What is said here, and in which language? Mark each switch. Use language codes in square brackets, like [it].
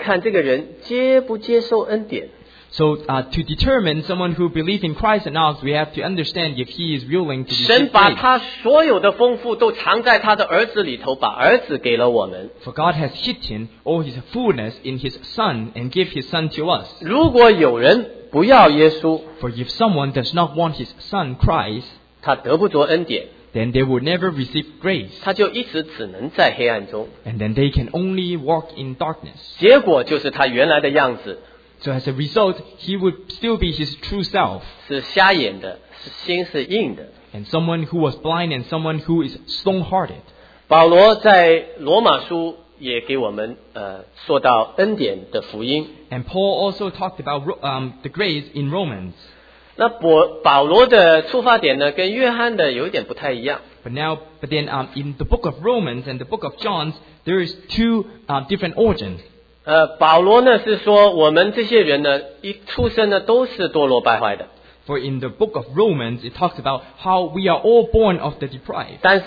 [zh] 有人信耶稣，有人不信耶稣，我们看这个人接不接受恩典。 [en] So to determine someone who believes in Christ or not, we have to understand if he is willing to receive. [zh] 神把他所有的丰富都藏在他的儿子里头，把儿子给了我们。 [en] For God has hidden all his fullness in his Son and give his Son to us. [zh] 如果有人不要耶稣, [en] For if someone does not want his Son Christ, [zh] 他得不着恩典。 [en] Then they will never receive grace. [zh] 他就一直只能在黑暗中。 [en] And then they can only walk in darkness. [zh] 结果就是他原来的样子。 [en] So as a result, he would still be his true self. [zh] 是瞎眼的, 心是硬的。 [en] And someone who was blind and someone who is stone-hearted. [zh] 保罗在罗马书也给我们, 说到恩典的福音。 [en] And Paul also talked about the grace in Romans. [zh] 那保罗的出发点呢, 跟约翰的有点不太一样。 [en] But then in the book of Romans and the book of John, there is two different origins. [zh] 保罗呢是说我们这些人呢一出生呢都是堕落败坏的。 [en] For in the book of Romans, it talks about how we are all born of the deprived.